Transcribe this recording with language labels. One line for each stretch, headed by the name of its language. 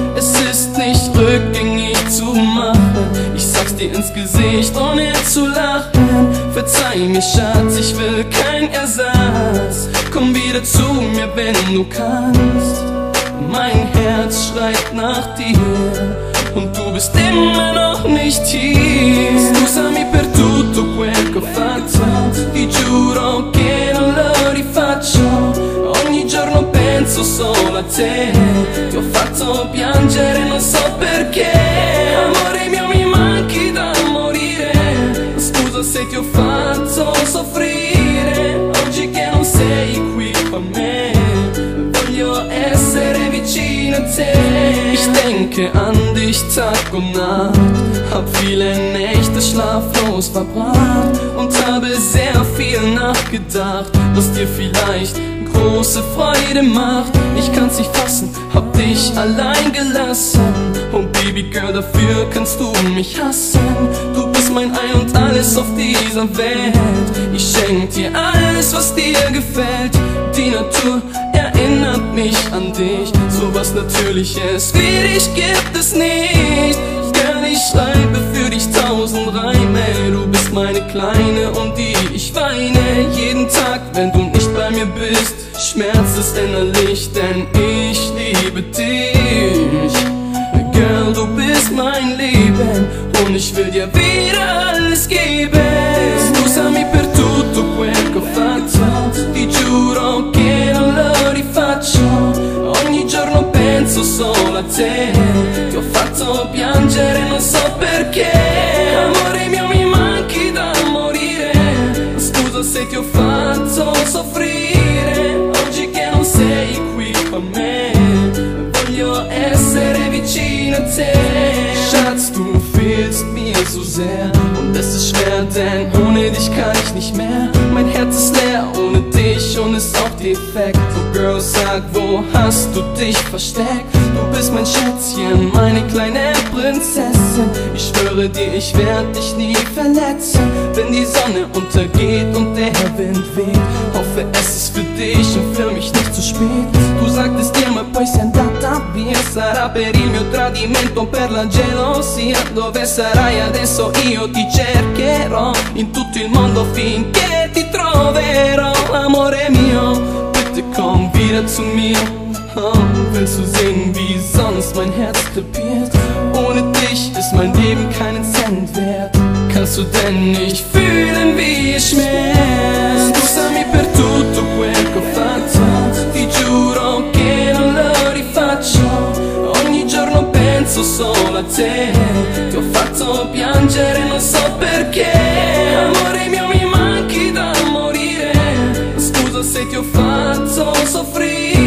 German: Es ist nicht rückgängig zu machen. Ich sag's dir ins Gesicht, ohne zu lachen. Verzeih mir, Schatz, ich will kein Ersatz. Komm wieder zu mir, wenn du kannst. Mein Herz schreit nach dir und du bist immer noch nicht hier.
Italian: Scusami per tutto quel che ho fatto. Ti giuro che non lo rifaccio. Ogni giorno penso solo a te. Ti ho fatto piangere, non so perché. Amore mio, mi manchi da morire. Scusa se ti ho fatto soffrire. Oggi che non sei qui con me, voglio essere vicino a te.
German: Ich denke an dich Tag und Nacht. Hab viele Nächte schlaflos verbracht und habe sehr viel nachgedacht, was dir vielleicht große Freude macht. Ich kann's nicht fassen, hab dich allein gelassen. Oh Baby Girl, dafür kannst du mich hassen. Du bist mein Ein und alles auf dieser Welt. Ich schenk dir alles, was dir gefällt. Die Natur erinnert mich an dich. So was Natürliches wie dich gibt es nicht. Ich schreibe für dich tausend Reime. Du bist meine Kleine, um die ich weine. Jeden Tag, wenn du nicht bei mir bist, schmerzt es innerlich, denn ich liebe dich. Girl, du bist mein Leben und ich will dir wieder alles geben.
Italian: Scusami per tutto quel che ho fatto. Ti giuro che non lo rifaccio. Ogni giorno penso solo a te. Ti ho fatto piangere, non so perché. Amore mio, mi manchi da morire. Scusa se ti ho fatto soffrire. Oggi che non sei qui con me, voglio essere vicino a te.
German: Schatz, du fehlst mir so sehr. Und es ist schwer, denn ohne dich kann ich nicht mehr. Mein Herz ist leer ohne dich und ist auch defekt. Girl, sag, wo hast du dich versteckt? Du bist mein Schätzchen, meine kleine Prinzessin. Ich schwöre dir, ich werde dich nie verletzen. Wenn die Sonne untergeht und der Wind weht, hoffe, es ist für dich und für mich nicht zu spät. Du sagtest dir,
Italian: ma poi sei andata via. Sarà per il mio tradimento, per la gelosia. Dove sarai adesso? Io ti cercherò in tutto il mondo finché ti troverò. Amore mio,
German: komm wieder zu mir. Oh, willst du sehen, wie sonst mein Herz krepiert? Ohne dich ist mein Leben keinen Cent wert. Kannst du denn nicht fühlen, wie ich schmerz?
Italian: Scusami per tutto quel che ho fatto. Ti giuro che non lo rifaccio. Ogni giorno penso solo a te. Ti ho fatto piangere, non so perché. Amore mio, mi manchi da morire. Scusa se ti ho fatto soffrire.